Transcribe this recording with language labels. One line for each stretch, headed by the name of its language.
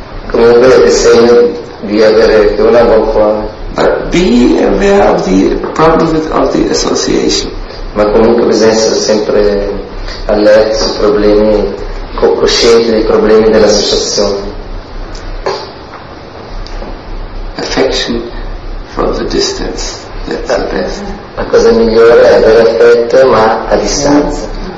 Italian: Comunque è segno di avere una buona cuore.
English: But be aware of the problem of the association.
Italian: Ma comunque bisogna essere sempre allerta sui problemi, cosciente dei problemi dell'associazione.
English: Affection from the distance, that's the best.
Italian: La cosa migliore è avere affetto, ma a distanza.